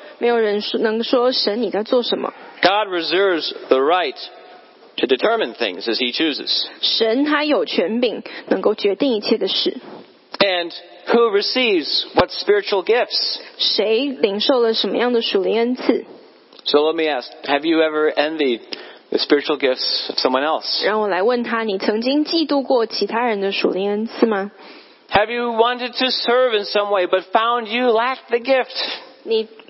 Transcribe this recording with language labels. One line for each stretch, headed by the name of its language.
Chinese: 没有人能说神你在做什么。
English: God reserves the right to determine things as He chooses.
Chinese: 神他有权柄能够决定一切的事。
English: And who receives what spiritual gifts?
Chinese: 谁领受了什么样的属灵恩赐？
English: So let me ask, have you ever envied the spiritual gifts of someone else?
Chinese: 让我来问他，你曾经嫉妒过其他人的属灵恩赐吗？
English: Have you wanted to serve in some way but found you lacked the gift?